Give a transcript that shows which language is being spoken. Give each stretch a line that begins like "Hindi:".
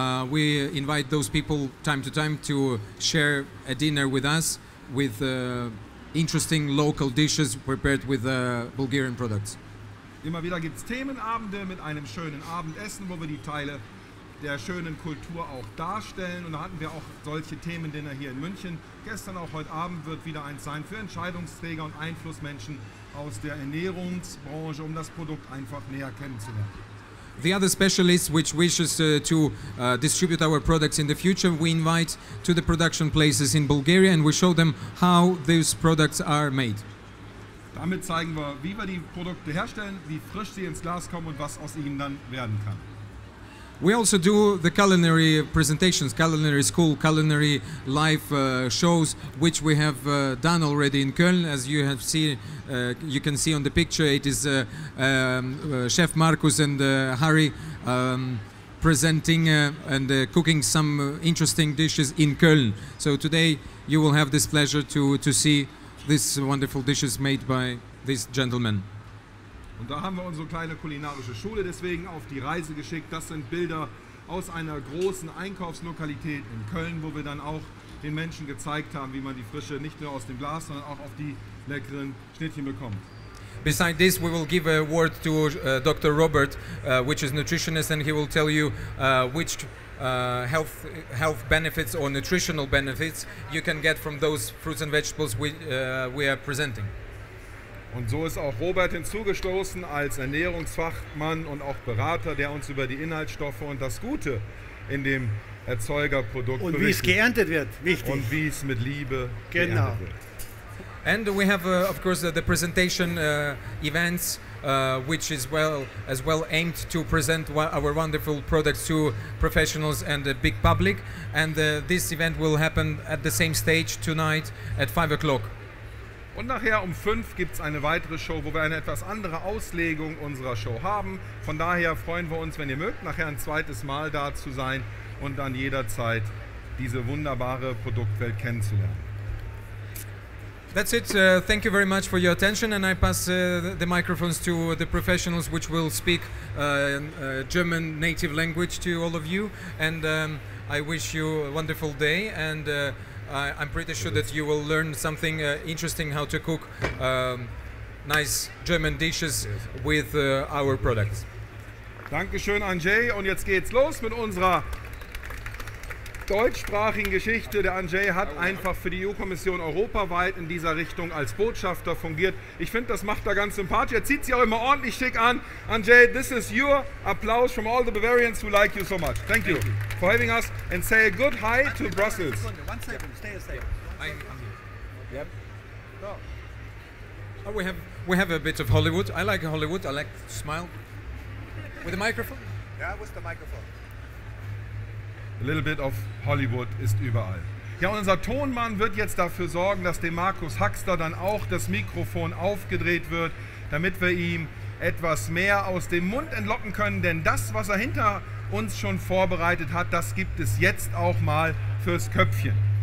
English: We invite those people time to time to share a dinner with us with interesting local dishes prepared with Bulgarian products.
German: Immer wieder gibt's Themenabende mit einem schönen Abendessen, wo wir die Teile der schönen Kultur auch darstellen. Und da hatten wir auch solche Themendinner hier in München. Gestern auch heute Abend wird wieder eins sein für Entscheidungsträger und Einflussmenschen aus der Ernährungsbranche, um das Produkt einfach näher kennenzulernen.
English: The other specialist which wishes to distribute our products in the future, we invite to the production places in Bulgaria and we show them how these products are made.
German: Damit zeigen wir, wie wir die Produkte herstellen, wie frisch sie ins Glas kommen und was aus ihnen dann werden kann.
English: We also do the culinary presentations, culinary school, culinary life shows, which we have done already in Köln. As you have seen, you can see on the picture, it is Chef Markus and Harry presenting and cooking some interesting dishes in Köln. So today you will have this pleasure to see these wonderful dishes made by these gentlemen.
German: Und da haben wir unsere kleine kulinarische Schule deswegen auf die Reise geschickt. Das sind Bilder aus einer großen Einkaufslokalität in Köln, wo wir dann auch den Menschen gezeigt haben, wie man die Frische nicht nur aus dem Glas, sondern auch auf die leckeren Schnittchen bekommt.
English: Beside this, we will give a word to Dr. Robert, which is nutritionist, and he will tell you which health benefits or nutritional benefits you can get from those fruits and vegetables we are presenting.
German: Und so ist auch Robert hinzugestoßen als Ernährungsfachmann und auch Berater, der uns über die Inhaltsstoffe und das Gute in dem Erzeugerprodukt berichtet. Und wie es geerntet wird, wichtig. Und wie es mit Liebe geerntet wird.
English: And we have, of course, the presentation events, which is well aimed to present our wonderful products to professionals and the big public. And this event will happen at the same stage tonight at 5 o'clock.
German: Und nachher um 5 gibt es eine weitere Show, wo wir eine etwas andere Auslegung unserer Show haben. Von daher freuen wir uns, wenn ihr mögt, nachher ein zweites Mal da zu sein und dann jederzeit diese wunderbare Produktwelt kennenzulernen.
English: That's it. Thank you very much for your attention and I pass the microphones to the professionals which will speak German native language to all of you and I wish you a wonderful day and I'm pretty sure that you will learn something interesting, how to cook nice German dishes with our products.
German: Dankeschön, Andrzej. Und jetzt geht's los mit unserer deutschsprachigen Geschichte. Der Andrzej hat einfach für die EU-Kommission europaweit in dieser Richtung als Botschafter fungiert. Ich finde, das macht er ganz sympathisch. Er zieht sich auch immer ordentlich schick an.
English: Andrzej, this is your applause from all the Bavarians who like you so much. Thank you for having us and say a good hi to Brussels. One second, stay. Yep. Oh, we have a bit of Hollywood. I like Hollywood. I like to smile. With the microphone? Yeah, with the microphone. A little bit of Hollywood
German: ist überall. Ja, unser Tonmann wird jetzt dafür sorgen, dass dem Markus Huxter dann auch das Mikrofon aufgedreht wird, damit wir ihm etwas mehr aus dem Mund entlocken können. Denn das, was er hinter uns schon vorbereitet hat, das gibt es jetzt auch mal fürs Köpfchen.